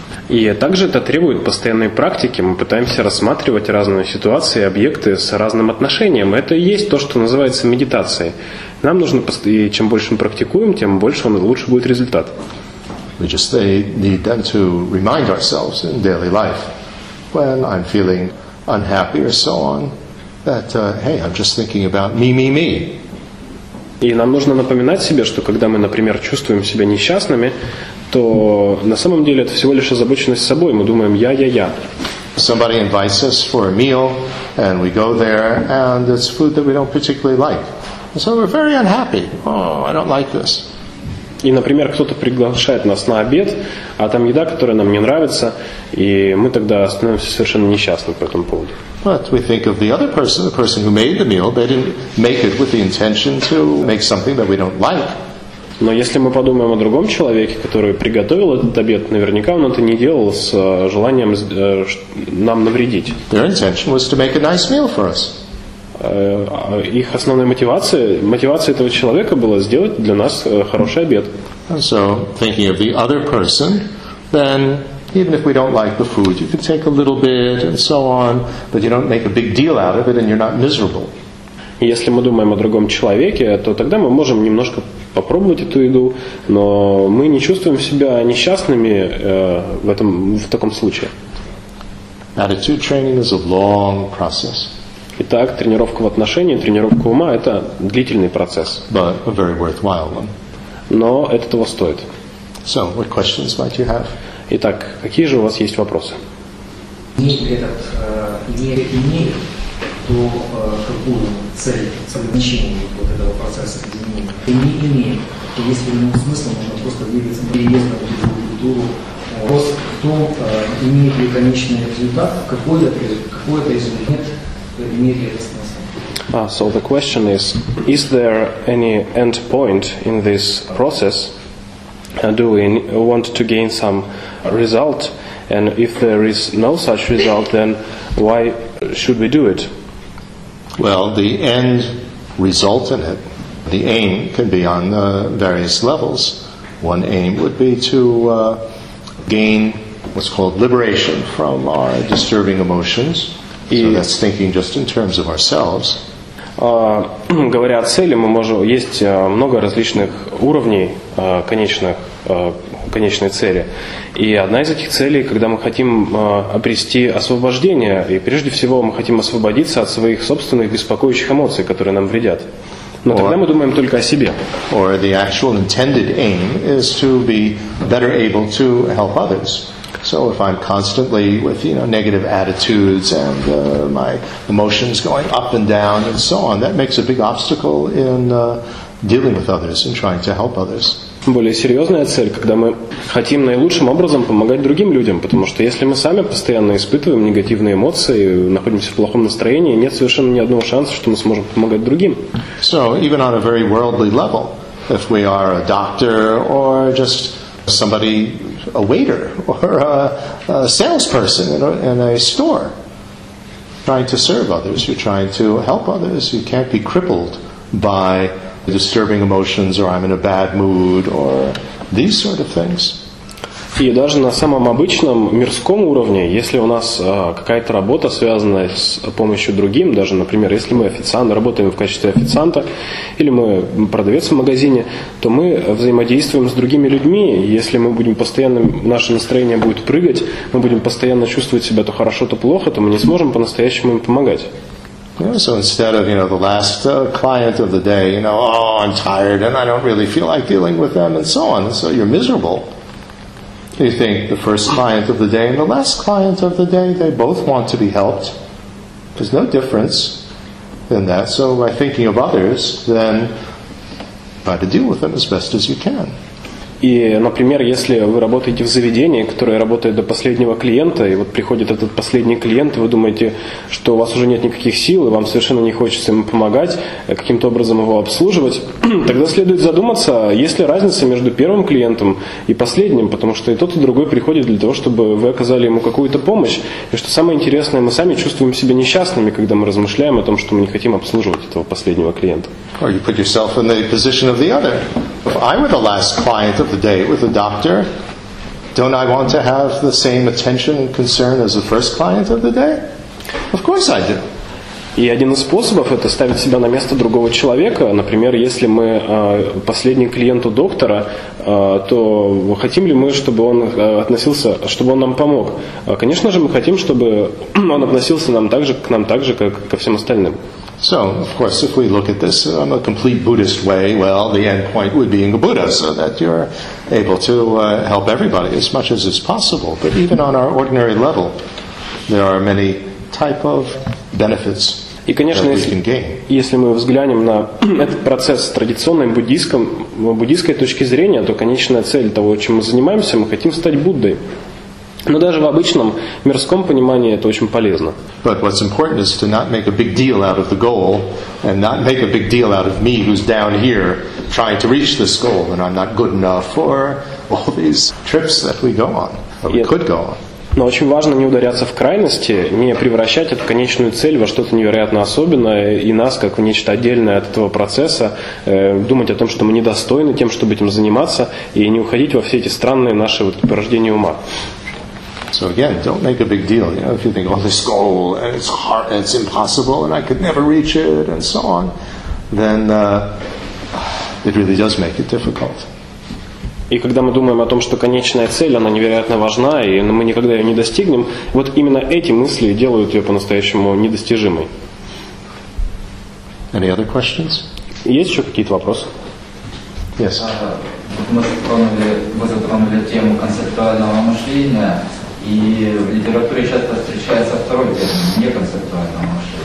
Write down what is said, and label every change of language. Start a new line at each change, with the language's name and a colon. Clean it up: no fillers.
Russian: И также это требует постоянной практики. Мы пытаемся рассматривать разные ситуации, объекты с разным отношением. Это и есть то, что называется медитацией. Нам нужно, и чем больше мы практикуем, тем больше он и лучше будет результат.
English: We just need then to remind ourselves in daily life, when I'm feeling unhappy or so on, that, hey, I'm just thinking about me, me, me.
Russian: И нам нужно напоминать себе, что когда мы, например, чувствуем себя несчастными, то на самом деле это всего лишь озабоченность собой. Мы думаем «я».
English: Somebody invites us for a meal, and we go there, and it's food that we don't particularly like. And so we're very unhappy. Oh, I don't like this.
Russian: И, например, кто-то приглашает нас на обед, а там еда, которая нам не нравится, и мы тогда становимся совершенно несчастны по этому поводу.
English: But we think of the other person, the person who made the meal, they didn't make it with the intention to make something that we don't like.
Russian: Но если мы подумаем о другом человеке, который приготовил этот обед, наверняка он это не делал с желанием нам навредить.
English: Their intention was to make a nice meal for us.
Russian: Их основная мотивация этого человека была сделать для нас хороший обед.
English: And so, thinking of the other person, then even if we don't like the food, you can take a little bit and so on, but you don't make a big deal out of it and you're not miserable.
Russian: Если мы думаем о другом человеке, то тогда мы можем немножко попробовать эту еду, но мы не чувствуем себя несчастными в таком случае.
English: Attitude training is a long process.
Russian: Итак, тренировка в отношении, тренировка ума – это длительный процесс.
English: But a very worthwhile one.
Russian: Но это того стоит.
English: So, what questions might you have?
Russian: Итак, какие же у вас есть вопросы? Если этот мерит и мерит, то какую цель совмещения вот этого процесса изменения? Или не имеет, то если ему смысл, можно просто двигаться на переезд на другую культуру. Вопрос, кто имеет ли конечный результат, какой-то результат, имеет ли это смысл?
English: So the question is there any end point in this process? Do we want to gain some result? And if there is no such result, then why should we do it? Well, the end result in it, the aim can be on various levels. One aim would be to gain what's called liberation from our disturbing emotions. So that's thinking just in terms of ourselves.
Russian: Говоря о цели, мы можем есть много различных уровней конечной цели. И одна из этих целей, когда мы хотим обрести освобождение, и прежде всего мы хотим освободиться от своих собственных беспокоящих эмоций, которые нам вредят. Но тогда мы думаем только о себе.
English: Or the actual intended aim is to be better able to help others. So if I'm constantly with, you know, negative attitudes and my emotions going up and down and so on, that makes a big obstacle in dealing with others and trying to help others.
Russian: Более серьезная цель, когда мы хотим наилучшим образом помогать другим людям, потому что если мы сами постоянно испытываем негативные эмоции, находимся в плохом настроении, нет совершенно ни одного шанса, что мы сможем помогать другим.
English: So even on a very worldly level, if we are a doctor or just somebody, a waiter or a salesperson in a store, trying to serve others, you're trying to help others, you can't be crippled by disturbing emotions or I'm in a bad mood or these sort of things.
Russian: И даже на самом обычном мирском уровне, если у нас какая-то работа, связанная с помощью другим, даже, например, если мы официант, работаем в качестве официанта, или мы продавец в магазине, то мы взаимодействуем с другими людьми. Если мы будем постоянно, наше настроение будет прыгать, мы будем постоянно чувствовать себя то хорошо, то плохо, то мы не сможем по-настоящему им помогать.
English: Yeah, so instead of, you know, the last client of the day, you know, oh, I'm tired and I don't really feel like dealing with them and so on, so you're miserable. You think the first client of the day and the last client of the day, they both want to be helped. There's no difference in that. So by thinking of others, then try to deal with them as best as you can.
Russian: И, например, если вы работаете в заведении, которое работает до последнего клиента, и вот приходит этот последний клиент, и вы думаете, что у вас уже нет никаких сил, и вам совершенно не хочется ему помогать, каким-то образом его обслуживать, тогда следует задуматься, есть ли разница между первым клиентом и последним, потому что и тот, и другой приходит для того, чтобы вы оказали ему какую-то помощь. И что самое интересное, мы сами чувствуем себя несчастными, когда мы размышляем о том, что мы не хотим обслуживать этого последнего клиента.
English: Or you put yourself in the position of the other. If I were the last client of the day with a doctor, don't I want to have the same attention and concern as the first client of the day? Of course I do.
Russian: И один из способов – это ставить себя на место другого человека. Например, если мы последний клиент у доктора, то хотим ли мы, чтобы он относился, чтобы он нам помог? Конечно же, мы хотим, чтобы он относился к нам так же, как ко всем остальным.
English: So, of course, if we look at this in a complete Buddhist way, well, the end point would be in a Buddha, so that you're able to help everybody as much as is possible. But even on our ordinary level, there are many type of benefits.
Russian: И, конечно, если мы взглянем на этот процесс с традиционной буддийской точки зрения, то конечная цель того, чем мы занимаемся, мы хотим стать Буддой. Но даже в обычном мирском понимании это очень полезно.
English: But what's important is to not make a big deal out of the goal and not make a big deal out of me who's down here trying to reach this goal and I'm not good enough for all these trips that we go on, or we could go on.
Russian: Но очень важно не ударяться в крайности, не превращать эту конечную цель во что-то невероятно особенное и нас как в нечто отдельное от этого процесса, думать о том, что мы недостойны тем, чтобы этим заниматься, и не уходить во все эти странные наши вот порождения ума.
English: So again, don't make a big deal. You know, if you think, oh, this goal, and it's hard, and it's impossible, and I could never reach it, and so on, then it really does make it difficult.
Russian: И когда мы думаем о том, что конечная цель, она невероятно важна, и мы никогда ее не достигнем, вот именно эти мысли делают ее по-настоящему недостижимой.
English: Any other questions?
Russian: Есть еще какие-то вопросы?
English: Yes.
Russian: Мы затронули тему концептуального мышления, и в литературе часто встречается второй термин, неконцептуального мышления.